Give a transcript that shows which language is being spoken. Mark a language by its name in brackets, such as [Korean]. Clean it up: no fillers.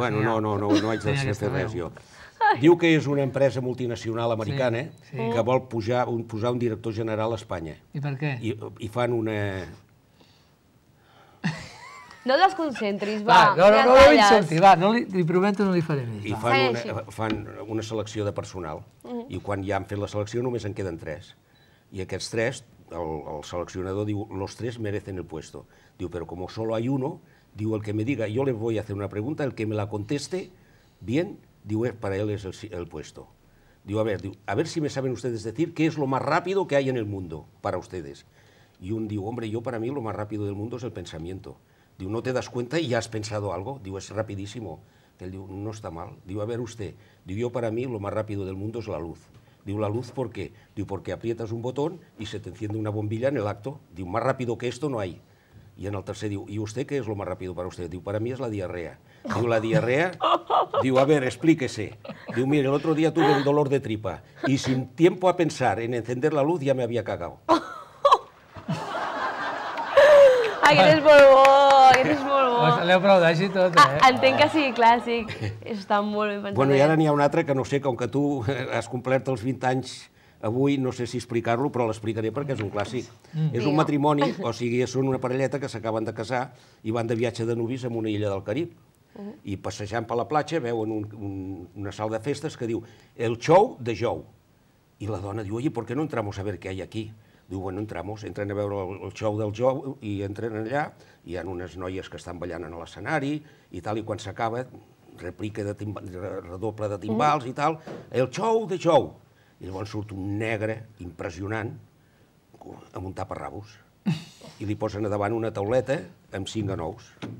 [Catalan] Bueno, no haig de ser fer res jo. Diu que és una empresa multinacional americana, sí, sí, que vol posar un director general a Espanya. I per què? I fan una... No et desconcentris, va. No, no, no, no l'incentri, va, no li prometo, no li faré més. I fan una selecció de personal, i quan ja han fet la selecció només en queden tres. I aquests tres, el seleccionador diu, [Spanish] los tres merecen el puesto. Diu, pero como solo hay uno, diu, el que me diga, yo le voy a hacer una pregunta, el que me la conteste bien, diu, para él es el puesto. Diu, a ver si me saben ustedes decir qué es lo más rápido que hay en el mundo para ustedes. Y un diu, hombre, yo para mí lo más rápido del mundo es el pensamiento. Diu, no te das cuenta y ya has pensado algo. Diu, es rapidísimo. Él diu, no está mal. Diu, a ver usted. Diu, yo para mí lo más rápido del mundo es la luz. Diu, la luz, ¿por qué? Diu, porque aprietas un botón y se te enciende una bombilla en el acto. Diu, más rápido que esto no hay. Y en el tercer diu, ¿y usted qué es lo más rápido para usted? Diu, para mí es la diarrea. Diu, la diarrea. Diu, a ver, explíquese. Diu, mire, el otro día tuve un dolor de tripa y sin tiempo a pensar en encender la luz ya me había cagado. [Catalan] Ai, que eres molt bo, que eres molt bo. Pues l'heu prou d'així tot, eh? Entenc que sigui clàssic. Està molt ben pensat. Bueno, i ara n'hi ha un altre que no sé, com que tu has complert els 20 anys avui, no sé si explicar-lo, però l'explicaré perquè és un clàssic. Mm. És un matrimoni, o sigui, són una parelleta que s'acaben de casar i van de viatge de nuvis a una illa del Carib. I passejant per la platja veuen una sala de festes que diu el show de Jou. I la dona diu, [Spanish] oi, ¿por qué no entramos a ver qué hay aquí? [Catalan] Diu, [Spanish] bueno, entramos, [Catalan] entren a veure el show del Jou i entren allà, hi ha unes noies que estan ballant en l'escenari i tal, i quan s'acaba, replica de redoble de timbals i tal, el show de Jou. I llavors surt un negre impressionant amb un taparrabos i li posen a davant una tauleta amb 5 anous.